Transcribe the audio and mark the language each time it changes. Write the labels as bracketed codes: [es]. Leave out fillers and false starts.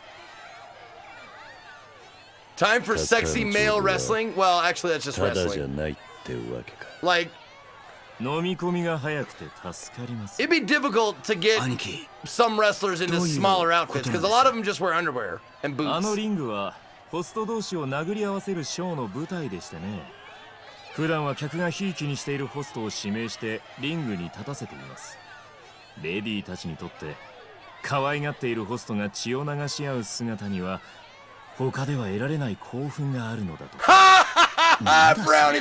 [ja] ただしその前にあなたがたには我々の余興にお付き合いいただきたいのです。 [en] Time for sexy male wrestling? Well, actually that's just wrestling. [ja] ただじゃないってわけか。 [en] Like [ja] 飲み込みが早くて助かります。 [en] It'd be difficult to get some wrestlers into smaller outfits because a lot of them just wear underwear and boots. [ja] あのリングはホスト同士を殴り合わせるショーの舞台でしたね。普段は客がひいきにしているホストを指名してリングに立たせています。レディーたちにとって可愛がっているホストが血を流し合う姿には他では得られない興奮があるのだと。Brownie,